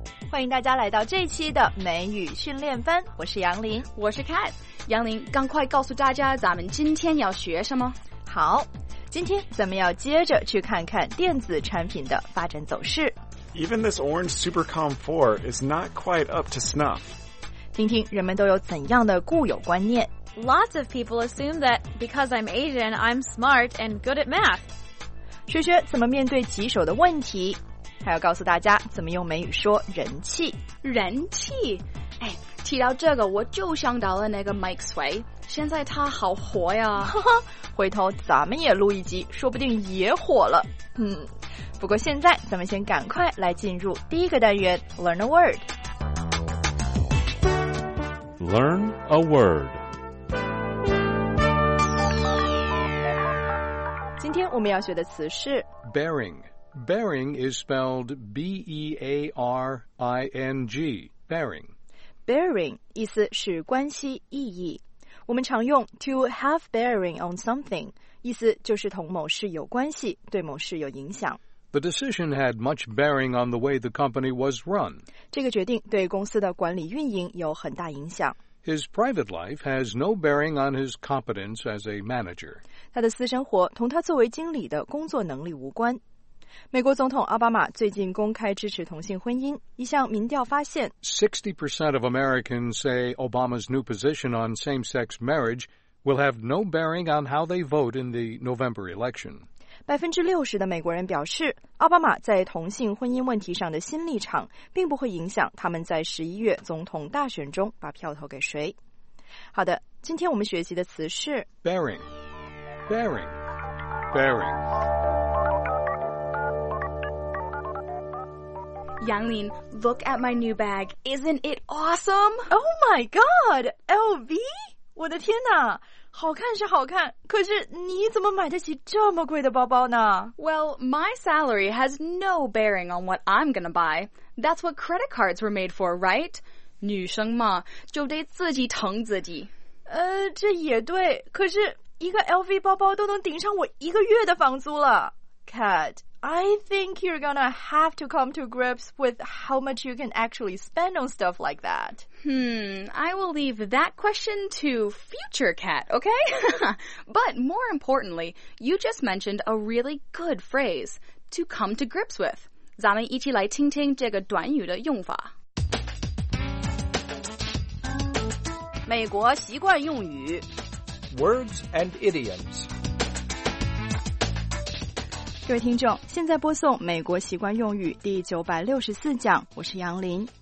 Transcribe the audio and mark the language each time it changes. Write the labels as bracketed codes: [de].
[zh] 欢迎大家来到这一期的美语训练班，我是杨林，我是 Kat。杨林，赶快告诉大家咱们今天要学什么。好，今天咱们要接着去看看电子产品的发展走势。 [en] Even this orange Supercom 4 is not quite up to snuff. [zh] 听听人们都有怎样的固有观念。 [en] Lots of people assume that because I'm Asian, I'm smart and good at math. [zh] 学学怎么面对棘手的问题，还要告诉大家怎么用美语说人气。人气，哎，提到这个我就想到了那个 Mike Sway， 现在他好火呀。回头咱们也录一集，说不定也火了。不过现在咱们先赶快来进入第一个单元 [en] Learn a Word。 Learn a Word。 [zh] 今天我们要学的词是 [en] BearingBearing is spelled B-E-A-R-I-N-G, bearing. [zh] Bearing 意思是关系、意义。我们常用 [en] to have bearing on something, [zh] 意思就是同某事有关系，对某事有影响。 [en] The decision had much bearing on the way the company was run. [zh] 这个决定对公司的管理运营有很大影响。 [en] His private life has no bearing on his competence as a manager. [zh] 他的私生活同他作为经理的工作能力无关。美国总统奥巴马最近公开支持同性婚姻。一项民调发现 [en] 60% of Americans say Obama's new position on same-sex marriage will have no bearing on how they vote in the November election. [zh] 60% 的美国人表示奥巴马在同性婚姻问题上的新立场并不会影响他们在11月总统大选中把票投给谁。好的，今天我们学习的词是 [en] bearing, bearing, bearing。杨林, look at my new bag. Isn't it awesome? Oh my god! LV? [zh] 我的天哪,好看是好看,可是你怎么买得起这么贵的包包呢? [en] Well, my salary has no bearing on what I'm gonna buy. That's what credit cards were made for, right? [zh] 女生嘛,就得自己疼自己。这也对,可是一个 LV 包包都能顶上我一个月的房租了。 [en] Cat,I think you're gonna have to come to grips with how much you can actually spend on stuff like that. I will leave that question to future Cat, okay? But more importantly, you just mentioned a really good phrase, to come to grips with. [zh] 咱们一起来听听这个短语的用法。美国习惯用语。 [en] Words and idioms. [zh] 各位听众，现在播送美国习惯用语第964讲，我是杨林。